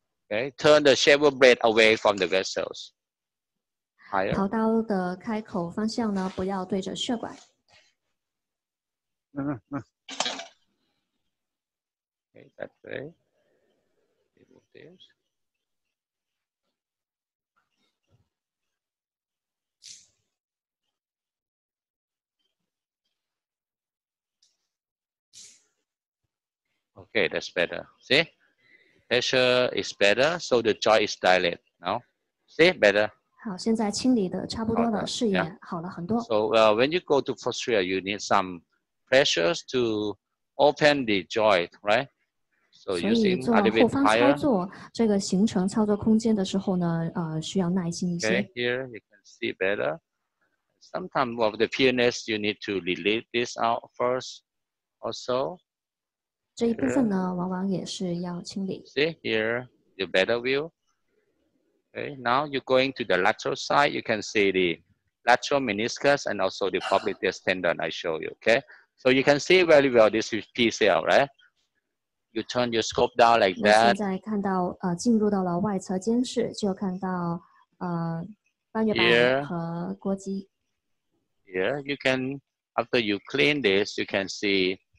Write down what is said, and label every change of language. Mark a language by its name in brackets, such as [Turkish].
[English] Okay, turn the shaver blade away from the vessels. Higher. [Chinese] 刨刀的开口方向呢，不要对着血管。嗯嗯。 [English] Okay, that way. Remove this. Okay, that's better. See? Pressure is better, so the joint is dilated now. See? Better. [Chinese] 好，现在清理的差不多了，视野好了很多。 [English] So, when you go to posterior, you need some pressures to open the joint, right? So, using a little bit higher. [Chinese] 所以做后方操作，这个行程操作空间的时候呢，需要耐心一些。 [English] Okay, here you can see better. Sometimes of the PNS, you need to relieve this out first also. [Chinese] 这一部分呢，往往也是要清理。 [English] See here, the better view. Okay, now you're going to the lateral side. You can see the lateral meniscus and also the popliteus tendon. I show you. Okay, so you can see very well this is PCL, right? You turn your scope down like that. [Chinese] 现在看到进入到了外侧监视，就看到半月板和腘肌。 [English] Here, you can after you clean this, you can see.